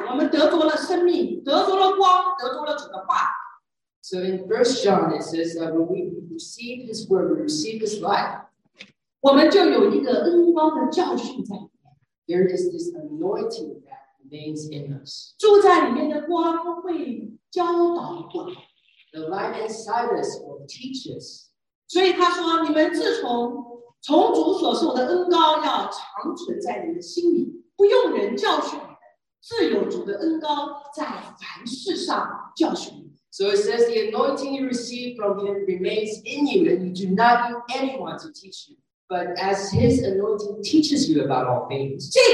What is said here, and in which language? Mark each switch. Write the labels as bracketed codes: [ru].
[zh] 所以约翰一书特别讲我们得着了生命，得着了光，得着了主的话。 [en] So in 1 John, it says that when we receive his word, we receive his life. [zh] 我们就有一个恩光的教训在里面。 [en] There is this anointing that remains in us. [zh] 住在里面的光会教导我们。 [en] The light inside us will teach us. [zh] 所以他说，你们自从主所受的恩膏要长存在你的心里，不用人教训你们，自有主的恩膏在凡事上教训你们。 [en] So it says the anointing you receive from him remains in you, and you do not need anyone to teach you. But as his anointing teaches you about all things,